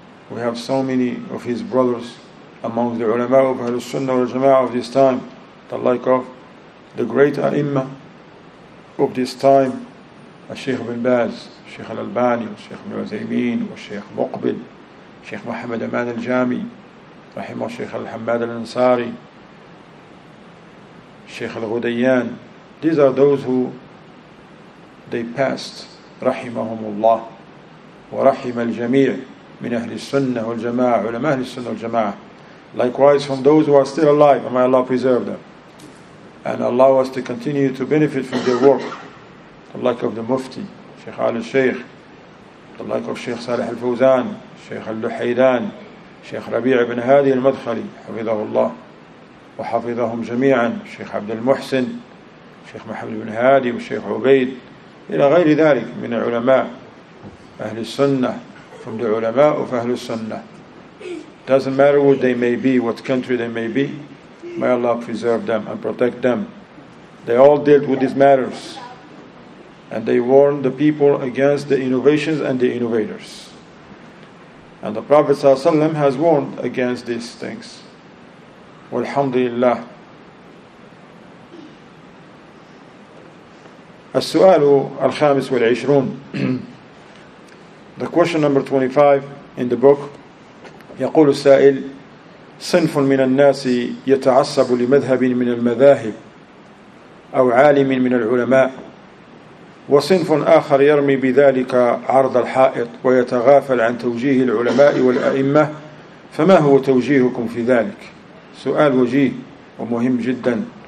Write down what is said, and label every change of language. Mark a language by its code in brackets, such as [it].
[en] We have so many of his brothers among the ulama of Ahlul Sunnah wal Jama'ah of this time, the like of the great A'imma of this time, Shaykh Ibn Baz, Shaykh Al-Albani, Shaykh Ibn Uthaymeen, Shaykh Muqbil, Shaykh Muhammad Aman Al-Jami, [ar] رحمه الشيخ الحماد الأنصاري، الشيخ الغديان. [en] These are those who they passed [ar] رحمهم الله ورحم الجميع من أهل السنة والجماعة علماء أهل السنة والجماعة. [en] Likewise, from those who are still alive, may Allah preserve them and allow us to continue to benefit from their work, the like of the Mufti شيخ آل الشيخ, the like of شيخ صالح الفوزان, شيخ اللحيدان, شيخ ربيع بن هادي المدخلي [ar] حفظه الله وحفظهم جميعا, [en] شيخ عبد المحسن, شيخ محمد بن هادي, والشيخ عبيد, [ar] إلى غير ذلك من العلماء [en] Ahl al-Sunnah, from the ulama of Ahl al-Sunnah. Doesn't matter who they may be, what country they may be, may Allah preserve them and protect them. They all dealt with these matters, and they warned the people against the innovations and the innovators. And the Prophet ﷺ has warned against these things. Walhamdulillah. [ar] السؤال الخامس والعشرون. [en] The question number 25 in the book. [ar] يقول السائل صنف من الناس يتعصب لمذهب من المذاهب أو عالم من العلماء وصنف آخر يرمي بذلك عرض الحائط ويتغافل عن توجيه العلماء والأئمة فما هو توجيهكم في ذلك؟ سؤال وجيه ومهم جدا.